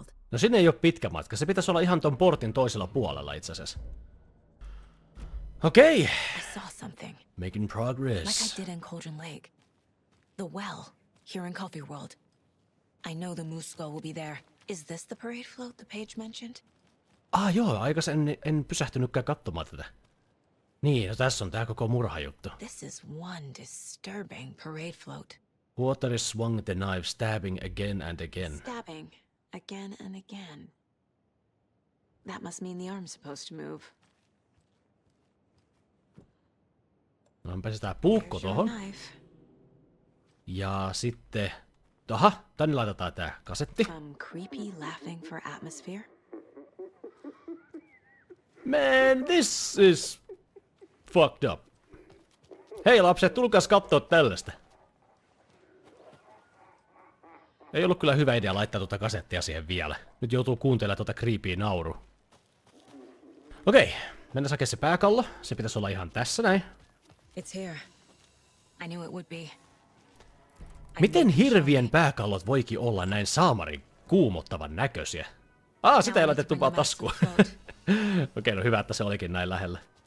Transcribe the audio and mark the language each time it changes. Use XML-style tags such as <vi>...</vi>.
<fi>No sinne ei oo pitkä matka, se pitäisi olla ihan ton portin toisella puolella itseasiassa. Okei!</fi> <en>Okay. Making progress. Like I did in Cauldron Lake. The Well, here in Coffee World. I know the moose skull will be there. Is this the parade float the page mentioned?</en> <fi>Ah joo, aikas en pysähtynytkään katsomaan tätä. Niin, no tässä on tää koko murhajuttu.</fi> <en>This is one disturbing parade float. Water swung the knife, stabbing again and again. Stabbing again and again. That must mean the arm's supposed to move.</en> <fi>No, me pääsetään puukko tohon. Ja sitten... Aha, tänne laitetaan tää kasetti.</fi> <en>Some creepy laughing for atmosphere. Man, this is fucked up.</en> <fi>Hei lapset, tulkaas kattoo tällaista. Ei ollut kyllä hyvä idea laittaa tuota kasettia siihen vielä. Nyt joutuu kuuntelemaan tuota creepy nauru. Okei, mennään hakemaan se pääkallo. Se pitäisi olla ihan tässä näin.</fi> <en>It's here. I knew it would be.</en> <fi>Miten hirvien pääkallot voikin olla näin saamarin kuumottavan näköisiä? Ah, sitä ei laitettu vaan taskua. Okei, no hyvä, että se olikin näin lähellä.</fi>